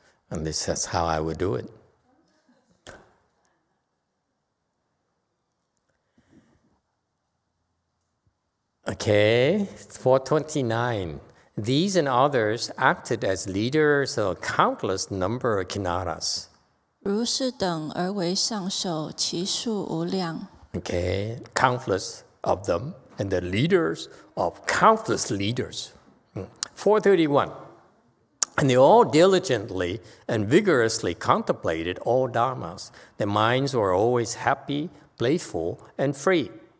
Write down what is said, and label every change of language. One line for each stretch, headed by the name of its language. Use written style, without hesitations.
English: And this is how I would do it. Okay, 429. These and others acted as leaders of a countless number of Kinaras.
Chinese: 如是等而为上首，其数无量.
English: Okay, countless of them, and the leaders of countless leaders. 431. And they all diligently and vigorously contemplated all dharmas. Their minds were always happy, playful, and free.